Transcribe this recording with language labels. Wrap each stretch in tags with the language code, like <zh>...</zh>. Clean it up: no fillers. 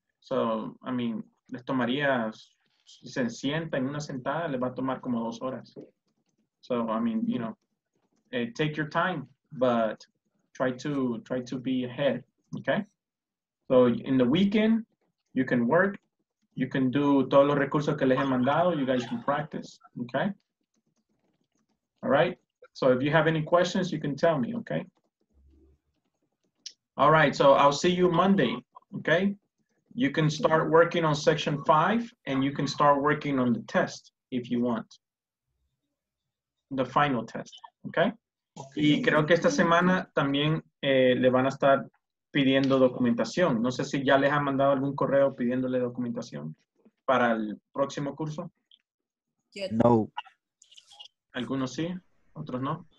<es>So, I mean, les tomaría, si se sienta en una sentada, les va a tomar como 2 horas.</es> <en>So, I mean, you know, take your time, but try to be ahead, okay? So, in the weekend, you can work. You can do</en> <es>todos los recursos que les he mandado.</es> <en>You guys can practice, okay? All right? So, if you have any questions, you can tell me, okay? All right, so I'll see you Monday, okay? You can start working on section 5, and you can start working on the test if you want. The final test, okay?</en> <es>Y creo que esta semana también le van a estar pidiendo documentación. No sé si ya les han mandado algún correo pidiéndole documentación para el próximo curso.</es> <en>Yes. No.</en> <es>Algunos sí, otros no.</es>